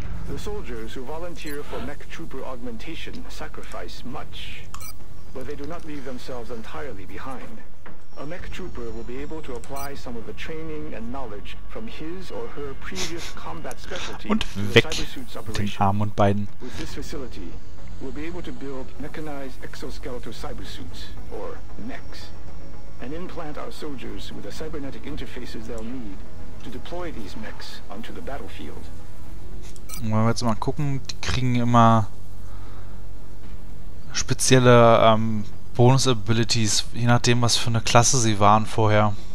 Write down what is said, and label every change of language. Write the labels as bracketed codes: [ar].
[en] The soldiers who volunteer for mech trooper augmentation sacrifice much, but they do not leave themselves entirely behind. A mech trooper will be able to apply some of the training and knowledge from his or her previous combat specialty. [de] Und weg den Arm und Beinen. [en] With this facility, we'll be able to build mechanized exoskeletal cybersuits, or mechs. And implant our soldiers with the cybernetic interfaces they'll need to deploy these mechs onto the battlefield. [de] Wenn wir jetzt mal gucken, die kriegen immer spezielle Bonus-Abilities, je nachdem, was für eine Klasse sie waren vorher.